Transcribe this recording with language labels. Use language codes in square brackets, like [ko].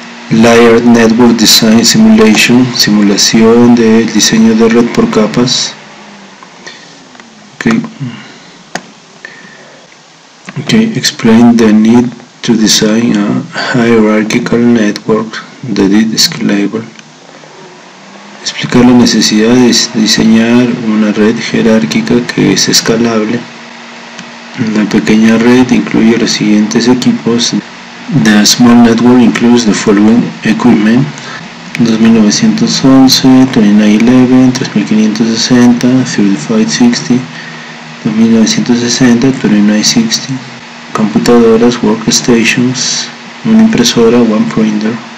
[en] Layered Network Design Simulation, [es] simulación del diseño de red por capas. [en] Okay, explain the need to design a hierarchical network that is scalable. [es] Explicar la necesidad de diseñar una red jerárquica que es escalable. La pequeña red incluye los siguientes equipos. [en] The small network includes the following equipment: 2911, 2911, 3560, 3560, 2960, 3960, computadoras, workstations, [es] una impresora, [en] one printer.